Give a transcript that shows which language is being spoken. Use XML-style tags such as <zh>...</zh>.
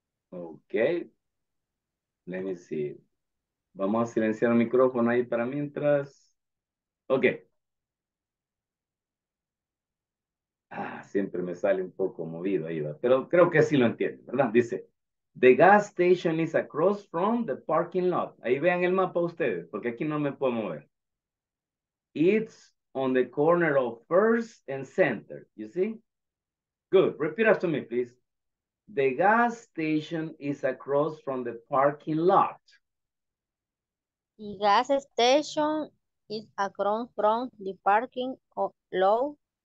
<en>Okay. Let me see.</en> <es>Vamos a silenciar el micrófono ahí para mientras. Okay. Ah, siempre me sale un poco movido ahí, pero creo que sí lo entiende, ¿verdad? Dice,</es> <en>the gas station is across from the parking lot.</en> <es>Ahí vean el mapa ustedes, porque aquí no me puedo mover.</es> <en>It's on the corner of First and Center. You see? Good. Repeat after me, please. The gas station is across from the parking lot. The gas station is across from the parking lot.</en>